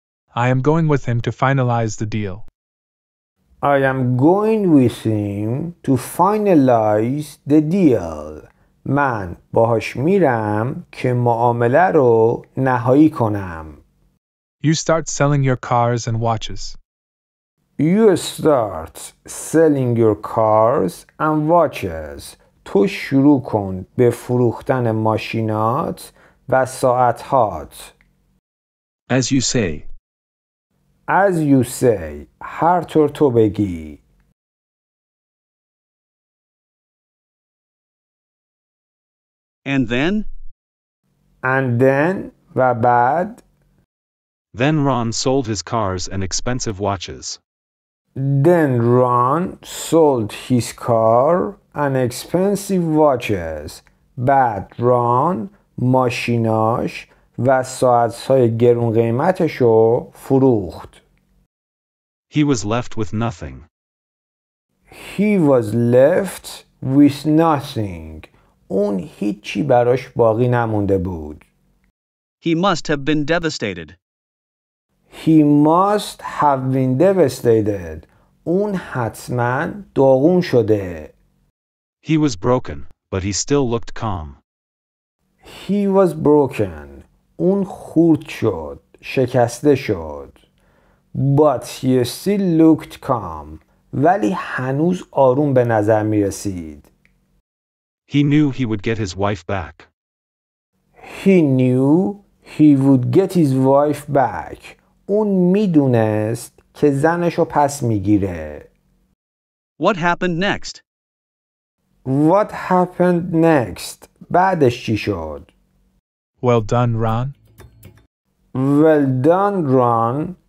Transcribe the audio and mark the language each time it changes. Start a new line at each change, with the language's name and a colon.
English: I am going with him to finalize the deal. I am going with him to finalize the deal.
Persian: من باهاش میرم که معامله رو نهایی کنم.
English: You start selling your cars and watches. You start selling your cars and watches.
Persian: تو شروع کن به فروختن ماشینات و ساعت‌هات.
English: As you say. As you say.
Persian: هر طور تو بگی.
English: And then? And then
Persian: و بعد.
English: Then Ron sold his cars and expensive watches. Then Ron sold his car and expensive watches.
Persian: بعد Ron ماشیناش و ساعت‌های گرون قیمتش رو فروخت.
English: He was left with nothing. He was left with nothing.
Persian: اون هیچی براش باقی نمونده بود.
English: He must have been devastated. He must have been devastated.
Persian: اون حتماً داغون شده.
English: He was broken, but he still looked calm. He was broken.
Persian: اون خورد شد. شکسته شد.
English: But he still looked calm.
Persian: ولی هنوز آروم به نظر می رسید.
English: He knew he would get his wife back. He knew he would get his wife back.
Persian: اون می دونست که زنشو پس می گیره.
English: What happened next? What happened next?
Persian: بعدش چی شد؟
English: Well done, Ron. Well done, Ron.